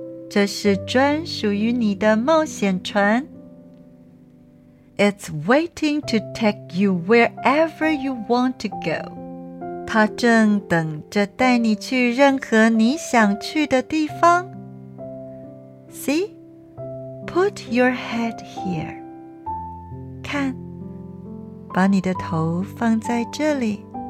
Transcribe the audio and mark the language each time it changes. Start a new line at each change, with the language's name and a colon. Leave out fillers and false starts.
Chinese: 这是专属于你的冒险船。
English: It's waiting to take you wherever you want to go.
Chinese: 它正等着带你去任何你想去的地方。
English: See? Put your head here.
Chinese: 看，把你的头放在这里。